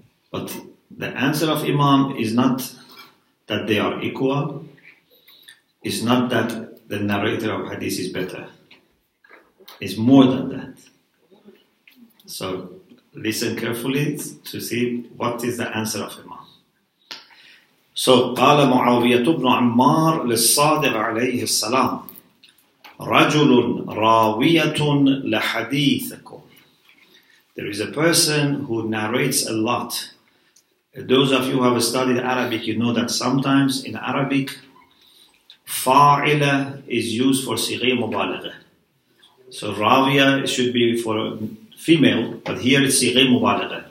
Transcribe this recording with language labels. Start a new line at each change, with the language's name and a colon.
English: But the answer of Imam is not that they are equal, it's not that the narrator of hadith is better. It's more than that. So listen carefully to see what is the answer of Imam. So,
Arabic: قال معاوية بن عمار للصادق عليه السلام رجل راوية لحديثكم.
English: There is a person who narrates a lot. Those of you who have studied Arabic, you know that sometimes in Arabic, فاعل is used for صيغة مبالغة. So, راوية should be for female, but here it's صيغة مبالغة.